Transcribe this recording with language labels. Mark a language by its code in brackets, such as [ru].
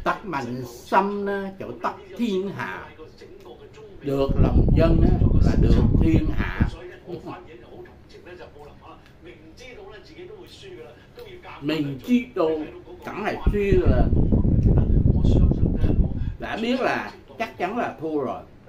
[yue] 得民心咧就得天下， [vi] được lòng dân咧là được thiên hạ。 [yue] 所以咧，我發現好同情咧，就冇諗啦，明知道咧自己都會輸噶啦，都要夾。明知道，梗係輸噶啦。我相信咧， [vi] 嗱，biết là chắc chắn là thua rồi。